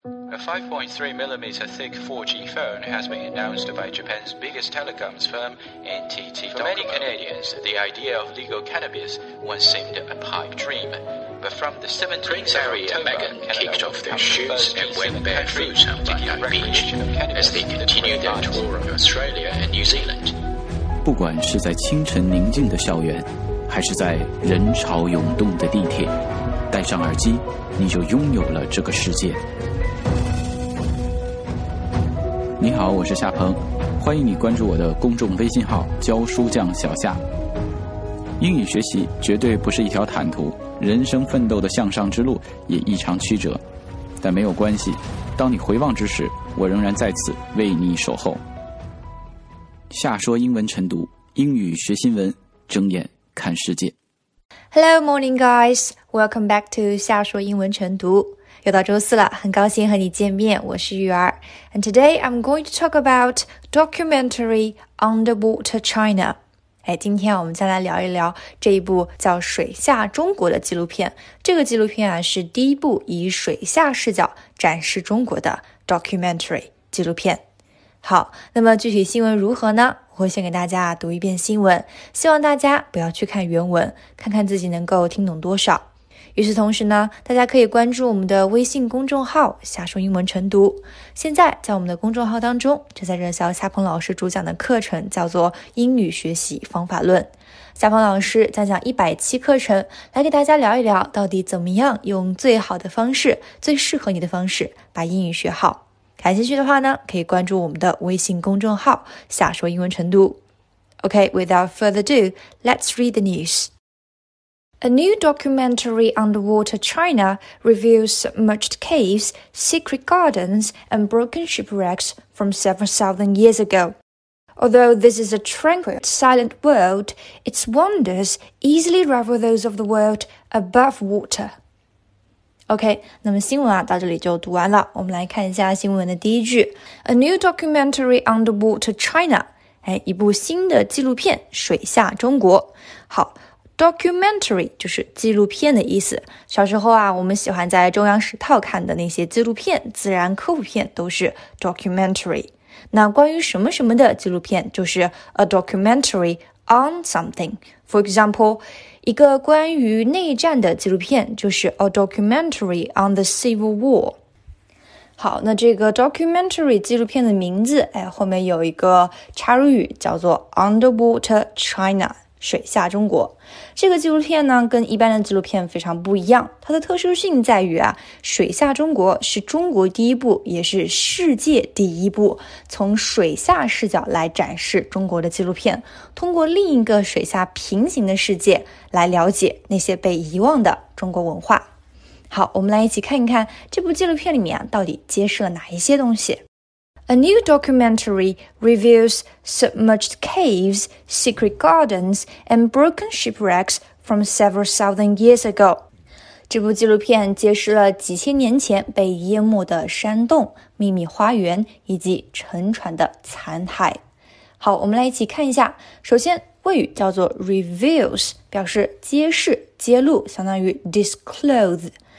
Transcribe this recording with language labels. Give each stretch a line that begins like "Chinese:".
English: A 5.3mm thick 4G phone has been announced by Japan's biggest telecoms firm, NTT Docomo. For many Canadians, the idea of legal cannabis once seemed a pipe dream. But from the 17th of October, Meghan kicked off their shoots and went barefoot on Bondi Beach as they continued their tour of Australia and New Zealand.
Chinese: 不管是在清晨宁静的校园，还是在人潮涌动的地铁，戴上耳机，你就拥有了这个世界。你好，我是夏鹏，欢迎你关注我的公众微信号教书匠小夏。英语学习绝对不是一条坦途，人生奋斗的向上之路也异常曲折，但没有关系，当你回望之时，我仍然在此为你守候。夏说英文晨读，英语学新闻，睁眼看世界。
English: Hello morning guys, welcome back to 夏说英文晨读。
Chinese: 又到周四了，很高兴和你见面，我是玉儿。
English: And today I'm going to talk about documentary Underwater China。
Chinese: 哎，今天我们再来聊一聊这一部叫水下中国的纪录片。这个纪录片啊，是第一部以水下视角展示中国的 documentary 纪录片。好，那么具体新闻如何呢？我先给大家读一遍新闻，希望大家不要去看原文，看看自己能够听懂多少。与此同时呢，大家可以关注我们的微信公众号夏说英文晨读。现在在我们的公众号当中正在热销夏鹏老师主讲的课程，叫做英语学习方法论。夏鹏老师将讲100期课程，来给大家聊一聊到底怎么样用最好的方式，最适合你的方式把英语学好。感兴趣的话呢，可以关注我们的微信公众号夏说英文晨读。
English: OK, without further ado, let's read the news. A new documentary Underwater China reveals submerged caves, secret gardens and broken shipwrecks from 7,000 years ago. Although this is a tranquil, silent world, its wonders easily rival those of the world above water.
Chinese: OK, 那么新闻啊到这里就读完了。我们来看一下新闻的第一句。
English: A new documentary Underwater China.
Chinese: 哎，一部新的纪录片水下中国。好， documentary 就是纪录片的意思。小时候啊，我们喜欢在中央十套看的那些纪录片，自然科普片都是 documentary。那关于什么什么的纪录片就是
English: a documentary on something. For example,
Chinese: 一个关于内战的纪录片就是
English: A Documentary on the Civil War。
Chinese: 好，那这个 Documentary 纪录片的名字，哎，后面有一个插入语叫做 Underwater China， 水下中国。这个纪录片呢跟一般的纪录片非常不一样，它的特殊性在于啊，水下中国是中国第一部也是世界第一部从水下视角来展示中国的纪录片，通过另一个水下平行的世界来了解那些被遗忘的中国文化。好，我们来一起看一看这部纪录片里面到底揭示了哪一些东西。
English: A new documentary reveals submerged caves, secret gardens, and broken shipwrecks from several thousand years ago.
Chinese: 这部纪录片揭示了几千年前被淹没的山洞、秘密花园以及沉船的残骸。好，我们来一起看一下。首先，谓语叫做 reveals， 表示揭示、揭露，相当于 disclose。